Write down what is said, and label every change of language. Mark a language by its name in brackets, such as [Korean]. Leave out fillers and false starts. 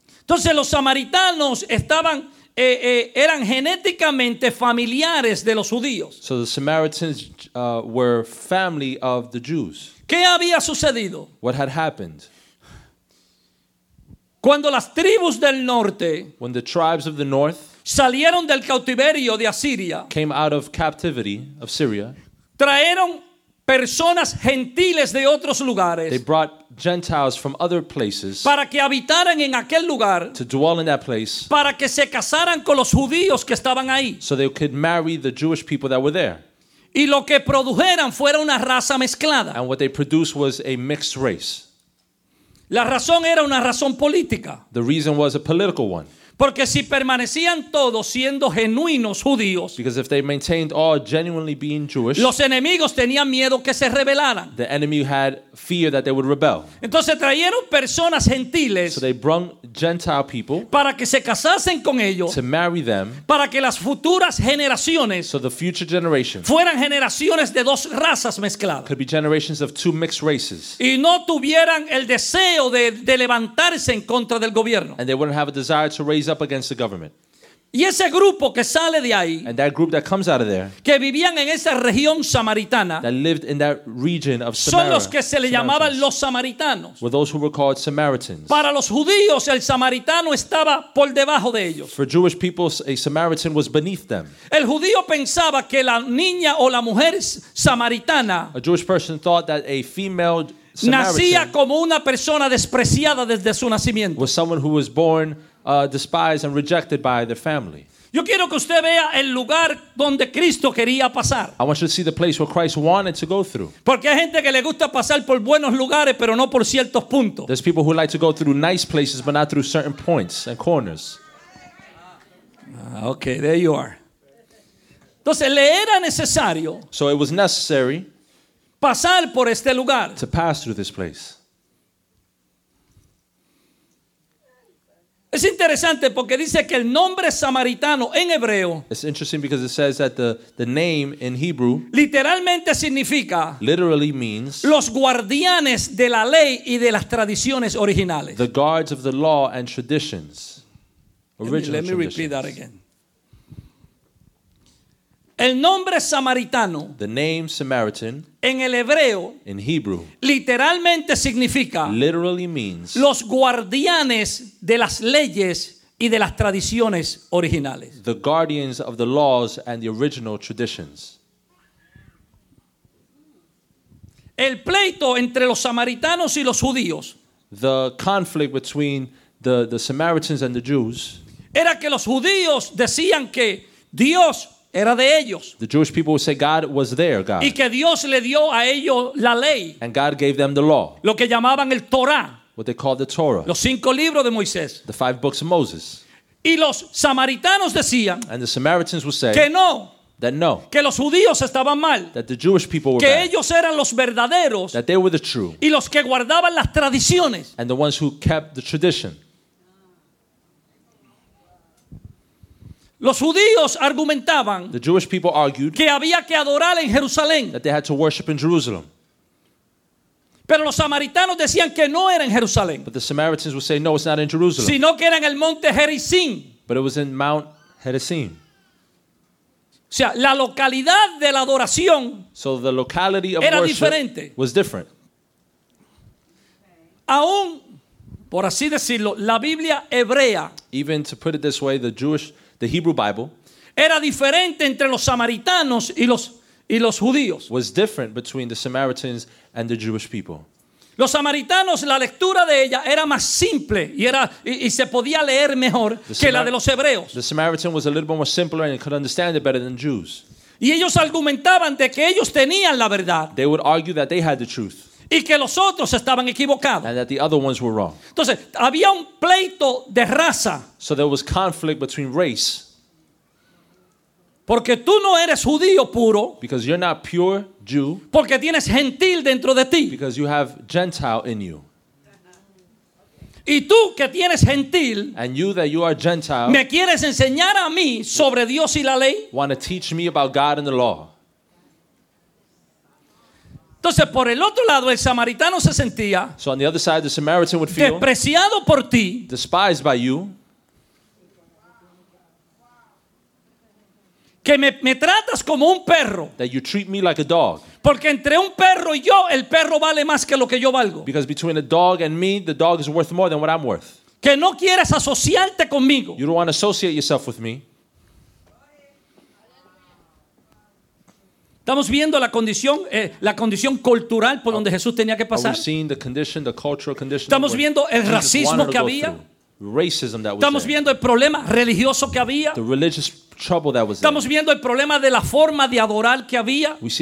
[Spanish] Entonces los samaritanos estaban eran genéticamente familiares de los judíos. [English] So the Samaritans were family of the Jews. [Spanish] ¿Qué había sucedido? [English] What had happened? [Spanish] Cuando las tribus del norte, [English] when the tribes of the north, [Spanish] salieron del cautiverio de Asiria, [English] came out of captivity of Syria, [Spanish] trajeron personas gentiles de otros lugares, [English] they brought Gentiles from other places, [Spanish] para que habitaran en aquel lugar, [English] to dwell in that place, [Spanish] para que se casaran con los judíos que estaban ahí, [English] so they could marry the Jewish people that were there. [Spanish] Y lo que produjeran fuera una raza mezclada. [English] And what they produced was a mixed race. [Spanish] La razón era una razón política. [English] The reason was a political one. [Spanish] Porque si permanecían todos siendo genuinos judíos, [English] because if they maintained all genuinely being Jewish, [Spanish] los enemigos tenían miedo que se rebelaran. [English] The enemy had fear that they would rebel. [Spanish] Entonces trajeron personas gentiles, [English] so they brought Gentile people, [Spanish] para que se casasen con ellos, [English] to marry them, [Spanish] para que las futuras generaciones, [English] so the future generations, [Spanish] fueran generaciones de dos razas mezcladas, [English] could be generations of two mixed races, [Spanish] y no tuvieran el deseo de levantarse en contra del gobierno. [English] And they wouldn't have a desire to raise up against the government. [Spanish] Y ese grupo que sale de ahí, [English] and that group that comes out of there, [Spanish] que vivían en esa región samaritana, [English] that lived in that region of Samaria, [Spanish] son los que se le llamaban los samaritanos, [English] were those who were called Samaritans. [Spanish] Para los judíos, el samaritano estaba por debajo de ellos. [English] For Jewish people, a Samaritan was beneath them. [Spanish] El judío pensaba que la niña o la mujer samaritana, [English] a Jewish person thought that a female [Spanish] nacía como una persona despreciada desde su nacimiento. [English] Was someone who was born despised and rejected by their family. [Spanish] Yo quiero que usted vea el lugar donde Cristo quería pasar. [English] I want you to see the place where Christ wanted to go through. [Spanish] Porque hay gente que le gusta pasar por buenos lugares, pero no por ciertos puntos. [English] There's people who like to go through nice places, but not through certain points and corners. Okay, there you are. [Spanish] Entonces, le era necesario. [English] So it was necessary. [Spanish] Pasar por este lugar. [English] To pass through this place. [Spanish] Es interesante porque dice que el nombre samaritano en hebreo. [English] It's interesting because it says that the name in Hebrew. [Spanish] Literalmente significa. [English] Literally means. [Spanish] Los guardianes de la ley y de las tradiciones originales. [English] The guards of the law and traditions. Original traditions. Let me repeat that again. [Spanish] El nombre samaritano. [English] The name Samaritan. [Spanish] En el hebreo. [English] In Hebrew. [Spanish] Literalmente significa. [English] Literally means. [Spanish] Los guardianes de las leyes y de las tradiciones originales. [English] The guardians of the laws and the original traditions. [Spanish] El pleito entre los samaritanos y los judíos. [English] The conflict between the Samaritans and the Jews. [Spanish] Era que los judíos decían que Dios. Era de ellos. [English] The Jewish people would say God was their God. [Spanish] Y que Dios le dio a ellos la ley. [English] And God gave them the law. [Spanish] Lo que llamaban el Torah. [English] What they called the Torah. [Spanish] Los cinco libros de Moisés. [English] The five books of Moses. [Spanish] Y los samaritanos decían. [English] And the Samaritans would say. [Spanish] Que no. [English] That no. [Spanish] Que los judíos estaban mal. [English] That the Jewish people were [Spanish] que [English] bad. [Spanish] Que ellos eran los verdaderos. [English] That they were the true. [Spanish] Y los que guardaban las tradiciones. [English] And the ones who kept the tradition. [Spanish] Los judíos argumentaban [English] the Jewish people argued [Spanish] que había que adorar en Jerusalén. [English] That they had to worship in Jerusalem. [Spanish] Pero los samaritanos decían que no era en Jerusalén. [English] But the Samaritans would say, no, it's not in Jerusalem. [Spanish] Sino que era en el monte Gerizim. [English] But it was in Mount Gerizim. [Spanish] O sea, la localidad de la adoración [English] so the locality of [Spanish] era [English] worship [Spanish] diferente. [English] Was different. [Spanish] Aún, por así decirlo, la Biblia hebrea [English] even to put it this way, the Jewish the Hebrew Bible [Spanish] era diferente entre los samaritanos y los judíos. [English] Was different between the Samaritans and the Jewish people. [Spanish] Los samaritanos, la lectura de ella era más simple y se podía leer mejor que la de los hebreos. [English] The Samaritan was a little bit more simpler and could understand it better than Jews. [Spanish] Y ellos argumentaban de que ellos tenían la verdad. [English] They would argue that they had the truth. [Spanish] Y que los otros estaban equivocados. [English] And that the other ones were wrong. [Spanish] Entonces, había un pleito de raza. [English] So there was conflict between race. [Spanish] Porque tú no eres judío puro. [English] Because you're not pure Jew. [Spanish] Porque tienes gentil dentro de ti. [English] Because you have Gentile in you. [Spanish] Y tú que tienes gentil. [English] And you that you are Gentile. [Spanish] Me quieres enseñar a mí sobre Dios y la ley. [English] Want to teach me about God and the law. [Spanish] Entonces, por el otro lado, el samaritano se sentía [English] so on the other side, the Samaritan would feel [Spanish] despreciado por ti, [English] despised by you, [Spanish] que me tratas como un perro, [English] that you treat me like a dog, [Spanish] porque entre un perro y yo, el perro vale más que lo que yo valgo, [English] because between a dog and me, the dog is worth more than what I'm worth, [Spanish] que no quieres asociarte conmigo, [English] you don't want to associate yourself with me. [Spanish] Estamos viendo la condición cultural por donde Jesús tenía que pasar. Estamos viendo el racismo que había. Estamos viendo el problema religioso que había. Estamos viendo el problema de la forma de adorar que había.